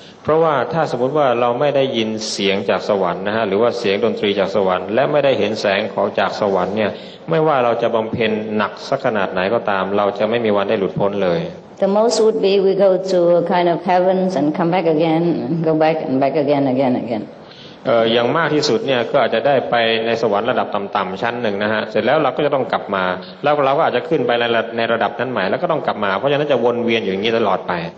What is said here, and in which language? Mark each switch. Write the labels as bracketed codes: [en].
[th] เพราะว่าถ้าสมมติว่าเราไม่ได้ยินเสียงจากสวรรค์นะฮะหรือว่าเสียงดนตรีจากสวรรค์และไม่ได้เห็นแสงของจากสวรรค์เนี่ยไม่ว่าเราจะบำเพ็ญหนักสักขนาดไหนก็ตามเราจะไม่มีวันได้หลุดพ้นเลย [en] The most would be we go to a kind of heavens and come back again, go back and back again, again, again. [th] อย่างมากที่สุดเนี่ยก็อาจจะได้ไปในสวรรค์ระดับต่ำๆชั้นหนึ่งนะฮะเสร็จแล้วเราก็จะต้องกลับมาแล้วเราก็อาจจะขึ้นไปในระดับนั้นใหม่แล้วก็ต้องกลับมาเพราะฉะนั้นจะวนเวียนอยู่อย่างนี้ตลอดไป